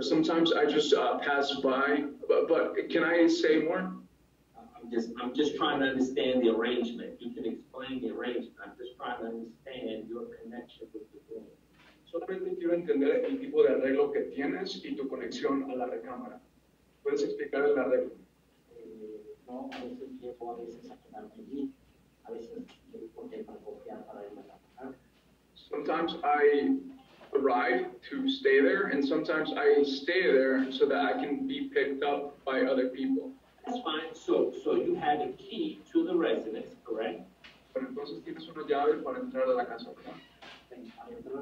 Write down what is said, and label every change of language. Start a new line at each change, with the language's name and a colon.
English: Sometimes I just pass by, but can I say more? I'm just trying to understand the arrangement. You can explain the arrangement. I'm just trying to understand your connection with the room.
Spanish: Solamente quiero entender el tipo de arreglo que tienes y tu conexión a la recámara. ¿Puedes explicar el arreglo? No, a veces llevo a veces a quedarme allí. A veces llevo porque hay para copiar para irme a la recámara.
English: Sometimes I arrive to stay there, and sometimes I stay there so that I can be picked up by other people. That's fine. So you had a key to the residence, correct?
Spanish: Pero entonces tienes una llave para entrar a la casa, ¿verdad?